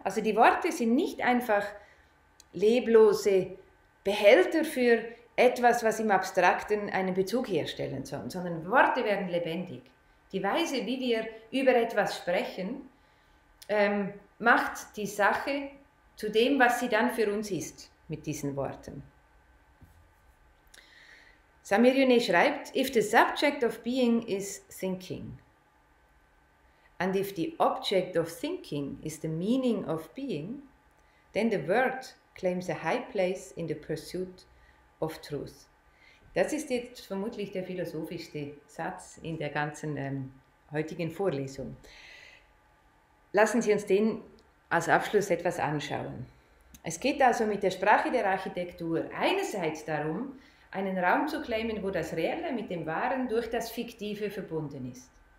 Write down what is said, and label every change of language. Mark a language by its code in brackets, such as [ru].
[de] Also die Worte sind nicht einfach leblose Behälter für etwas, was im Abstrakten einen Bezug herstellen soll, sondern Worte werden lebendig. Die Weise, wie wir über etwas sprechen, macht die Sache zu dem, was sie dann für uns ist mit diesen Worten. Samiryuni schreibt, [en] if the subject of being is thinking, and if the object of thinking is the meaning of being, then the word claims a high place in the pursuit of truth. [de] Das ist jetzt vermutlich der philosophischste Satz in der ganzen heutigen Vorlesung. Lassen Sie uns den als Abschluss etwas anschauen. Es geht also mit der Sprache der Architektur einerseits darum, einen Raum zu claimen, wo das Reelle mit dem Wahren durch das Fiktive verbunden ist.